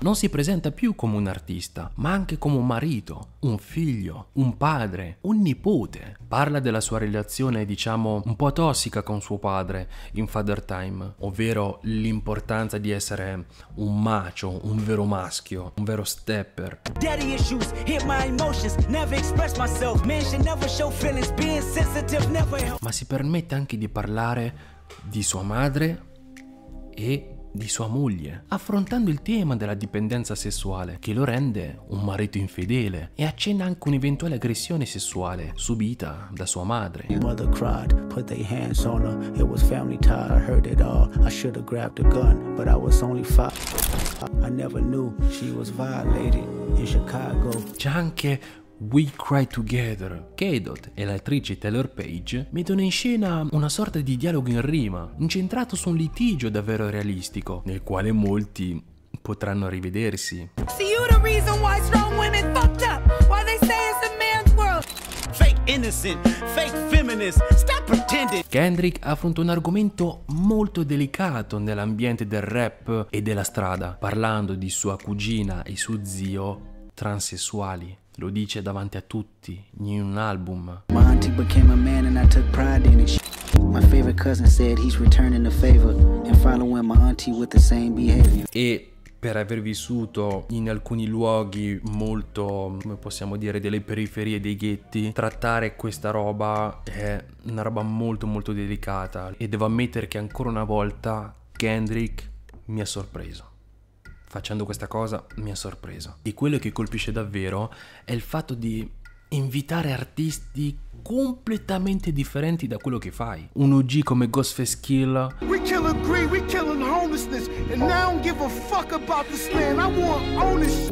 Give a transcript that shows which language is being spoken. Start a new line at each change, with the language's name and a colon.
Italian: Non si presenta più come un artista, ma anche come un marito, un figlio, un padre, un nipote. Parla della sua relazione, diciamo, un po' tossica con suo padre in Father Time, ovvero l'importanza di essere un macho, un vero maschio, un vero stepper.
English: Daddy issues. My emotions, never express myself. Man should never show feelings, being sensitive, never help.
Italian: Ma si permette anche di parlare di sua madre e di sua moglie, affrontando il tema della dipendenza sessuale che lo rende un marito infedele, e accenna anche un'eventuale aggressione sessuale subita da sua madre.
English: Mother cried, put their hands on her. It was family tie, I heard it all. I should have grabbed a gun, but I was only 5. I never knew she was violated in Chicago.
Italian: C'è anche We Cry Together. K-Dot e l'attrice Taylor Page mettono in scena una sorta di dialogo in rima, incentrato su un litigio davvero realistico, nel quale molti potranno rivedersi.
English: See, you're the reason why strong women fucked up, why they say it's a man's world. Fake innocent, fake feminist, stop pretending.
Italian: Kendrick affronta un argomento molto delicato nell'ambiente del rap e della strada, parlando di sua cugina e suo zio transessuali. Lo dice davanti a tutti in un album.
English: My auntie became a man and I took pride in it. My favorite cousin said he's returning the favor and following my auntie with the same behavior.
Italian: E per aver vissuto in alcuni luoghi molto, come possiamo dire, delle periferie, dei ghetti, trattare questa roba è una roba molto molto delicata, e devo ammettere che ancora una volta Kendrick mi ha sorpreso. Facendo questa cosa mi ha sorpreso. E quello che colpisce davvero è il fatto di invitare artisti completamente differenti da quello che fai. Un OG come Ghostface Kill.
English: We killin' greed, we killin' homelessness, and now I don't give a fuck about this land. I want ownership.